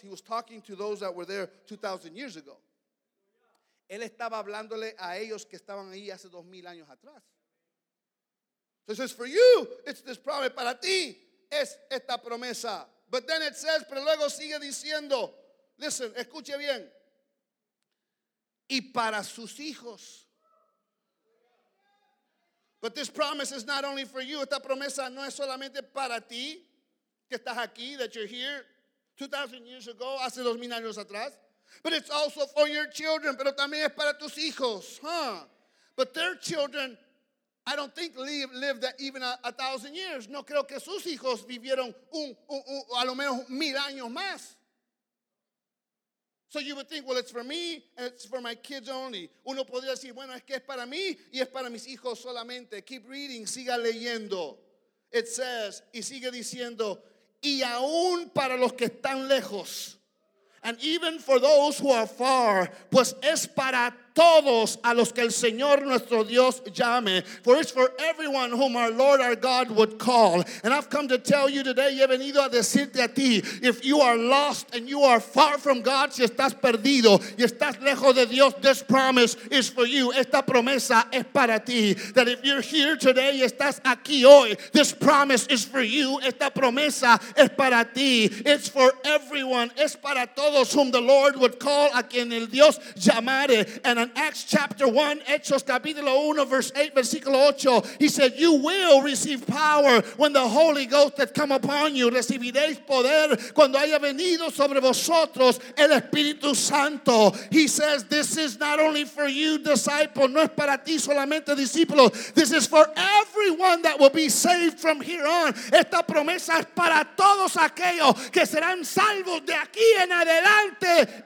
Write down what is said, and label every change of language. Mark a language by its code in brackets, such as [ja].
[en] He was talking to those that were there 2,000 years ago. [es] Él estaba hablándole a ellos que estaban ahí hace 2,000 años atrás. [en] So he says, for you, it's this promise. Para ti es esta promesa. But then it says, pero luego sigue diciendo, listen, escuche bien. [es] Y para sus hijos. [en] But this promise is not only for you. [es] Esta promesa no es solamente para ti, que estás aquí, that you're here 2,000 years ago, hace 2,000 años atrás. [en] But it's also for your children, pero también es para tus hijos. Huh? But their children, I don't think lived even 1,000 years. [es] No creo que sus hijos vivieron a lo menos 1,000 años más. [en] So you would think, well, it's for me and it's for my kids only. [es] Uno podría decir, bueno, es que es para mí y es para mis hijos solamente. Keep reading, siga leyendo. It says, y sigue diciendo, y aún para los que están lejos. And even for those who are far, pues es para todos. todos a los que el Señor nuestro Dios llame. [en] For it's for everyone whom our Lord our God would call. And I've come to tell you today, he venido a decirte a ti, if you are lost and you are far from God, si estás perdido y estás lejos de Dios, this promise is for you. Esta promesa es para ti. That if you're here today y estás aquí hoy, this promise is for you. [es] Esta promesa es para ti. It's for everyone. Es para todos whom the Lord would call, a quien el Dios llamare. [en] And in Acts chapter 1, Hechos capítulo 1, verse 8, versículo 8, he said, you will receive power when the Holy Ghost has come upon you. [es] Recibiréis poder cuando haya venido sobre vosotros el Espíritu Santo. [en] He says, this is not only for you, disciple. No es para ti solamente, discípulo. This is for everyone that will be saved from here on. [es] Esta promesa es para todos aquellos que serán salvos de aquí en adelante.